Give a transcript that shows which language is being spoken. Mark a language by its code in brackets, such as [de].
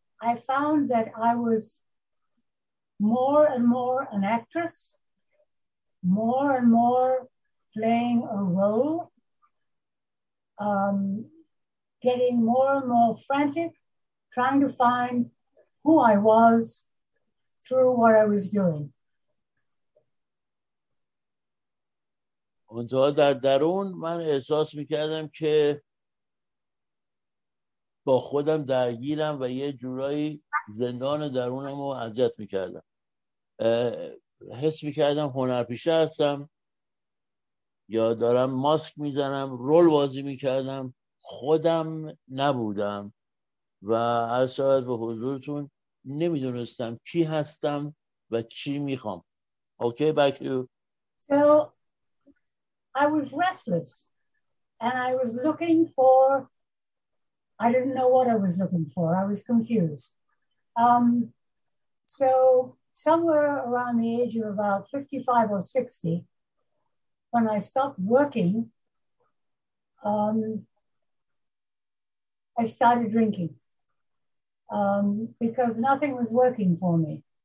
[en] I found that I was more and more an actress, more and more playing a role, getting more and more frantic, trying to find who I was through what I was doing. [fa] اونجا در درون من احساس میکردم که با خودم درگیرم و یه جورایی زندان درونم رو اذیت میکردم. حس میکردم هنرپیشه هستم یا دارم ماسک میزنم، رول بازی میکردم، خودم نبودم و از شاید به حضورتون نمیدونستم کی هستم و چی میخوام. [en] Okay back you. I was restless and I was looking for, I didn't know what I was looking for. I was confused. So somewhere around the age of about 55 or 60, when I stopped working, I started drinking because nothing was working for me.